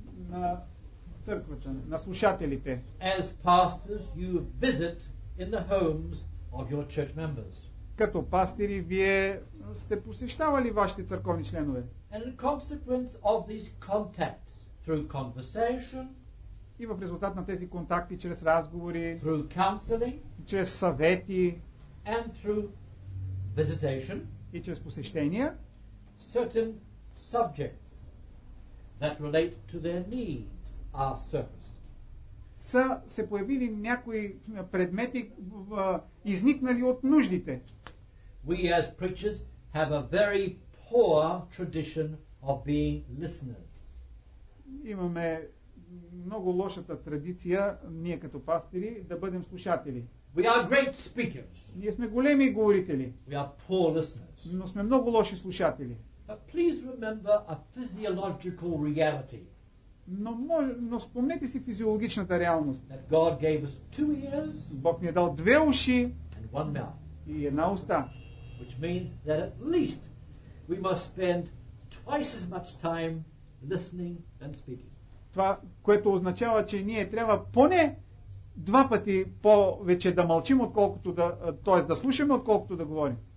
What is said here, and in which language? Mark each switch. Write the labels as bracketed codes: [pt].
[bg] на църквата, на слушателите. [en] As pastors, you visit in the homes of your church members. [bg] Като пастири, вие сте посещавали вашите църковни членове. [en] And in consequence of these contacts, through conversation, [bg] и в резултат на тези контакти, чрез разговори, [en] through counseling, [bg] чрез съвети, [en] and through visitation, [bg] и чрез посещения, [en] certain subjects that relate to their needs are surfaced. [bg] Са се появили някои предмети, изникнали от нуждите. [en] We as preachers have a very poor tradition of being listeners. [bg] Имаме много лошата традиция, ние като пастири, да бъдем слушатели. [en] We are great speakers. [bg] Ние сме големи говорители. [en] We are poor listeners. [bg] Но сме много лоши слушатели. [en] But please remember a physiological reality. [bg] Но спомнете си физиологичната реалност. [en] That God gave us two ears, [bg] Бог ни е дал две уши [en] and one mouth, [bg] и една уста. [en] Which means that at least we must spend twice as much time listening than speaking. [bg] Това, което означава, че ние трябва поне два пъти повече да мълчим, отколкото да, т.е. да слушаме, отколкото да говорим.